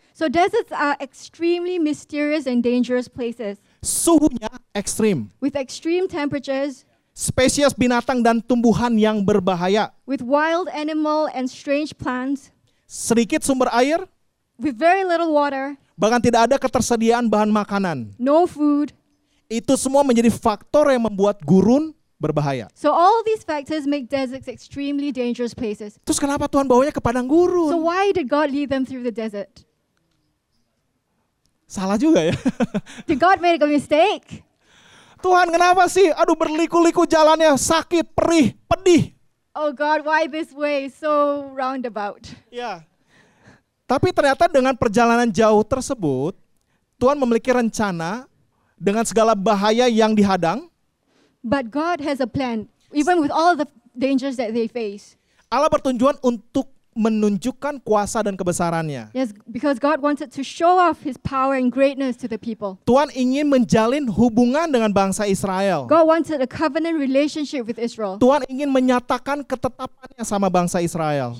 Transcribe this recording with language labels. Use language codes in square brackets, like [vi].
[en] So deserts are extremely mysterious and dangerous places. [id] Suhunya ekstrim. [en] With extreme temperatures. [id] Spesies binatang dan tumbuhan yang berbahaya. [en] With wild animal and strange plants. [id] Sedikit sumber air. [en] With very little water. [id] Bahkan tidak ada ketersediaan bahan makanan. [en] No food. [id] Itu semua menjadi faktor yang membuat gurun berbahaya. [en] So all these factors make deserts extremely dangerous places. [id] Terus kenapa Tuhan bawanya ke padang gurun? [en] So why did God lead them through the desert? [id] Salah juga ya. [en] Did God make a mistake? [id] Tuhan, kenapa sih? Aduh, berliku-liku jalannya, sakit, perih, pedih. [en] Oh God, why this way? So roundabout. [id] Ya. Tapi ternyata dengan perjalanan jauh tersebut, Tuhan memiliki rencana dengan segala bahaya yang dihadang. [en] But God has a plan, even with all the dangers that they face. [id] Allah bertujuan untuk menunjukkan kuasa dan kebesarannya. [en] Yes, because God wanted to show off His power and greatness to the people. [id] Tuhan ingin menjalin hubungan dengan bangsa Israel. [en] God wanted a covenant relationship with Israel. [id] Tuhan ingin menyatakan ketetapannya sama bangsa Israel.